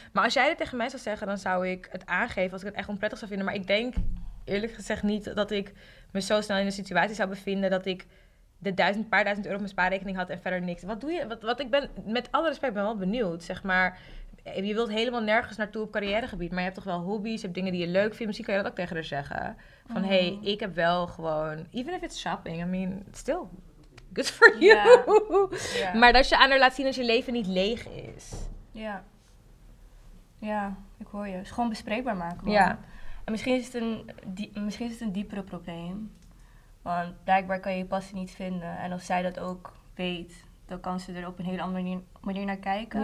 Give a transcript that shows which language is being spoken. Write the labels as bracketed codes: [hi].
[nl] Maar als jij dit tegen mij zou zeggen, dan zou ik het aangeven als ik het echt onprettig zou vinden. Maar ik denk eerlijk gezegd niet dat ik me zo snel in een situatie zou bevinden dat ik de paar duizend euro op mijn spaarrekening had en verder niks. Wat doe je? Wat ik ben met alle respect ben wel benieuwd, zeg maar. Je wilt helemaal nergens naartoe op carrièregebied, maar je hebt toch wel hobby's, je hebt dingen die je leuk vindt. Misschien kan je dat ook tegen haar zeggen. Van hey, ik heb wel gewoon, [en] even if it's shopping, I mean, still good for you. [nl] Ja. Maar dat je aan haar laat zien dat je leven niet leeg is. Ja. Ja, ik hoor je. Het is gewoon bespreekbaar maken. Ja. En misschien is het een diepere probleem. Want blijkbaar kan je je passie niet vinden. En als zij dat ook weet, dan kan ze er op een hele andere manier naar kijken.